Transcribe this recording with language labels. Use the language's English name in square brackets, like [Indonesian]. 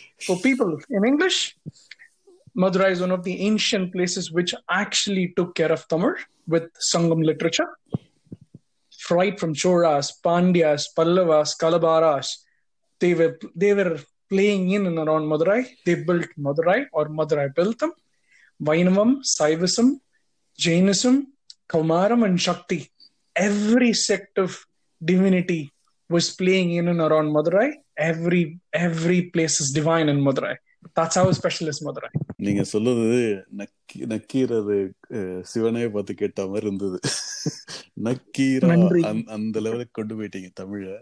[English] For people in English, Madurai is one of the ancient places which actually took care of Tamil with Sangam literature right from Cholas, Pandyas, Pallavas, Kalabhras. They were playing in and around Madurai. They built Madurai or Madurai built them. Vainavam, Saivism, Jainism, Kaumaram and Shakti, every sect of divinity was playing in and around Madurai. Every place is divine in Madurai. That's how special is Madurai. [Tamil] நீங்க சொல்லுது நக்கீரது சிவனே பார்த்து கேட்ட மாதிரி இருந்தது. நக்கீரா அந்த லெவலுக்கு கொண்டு போயிட்டீங்க தமிழ.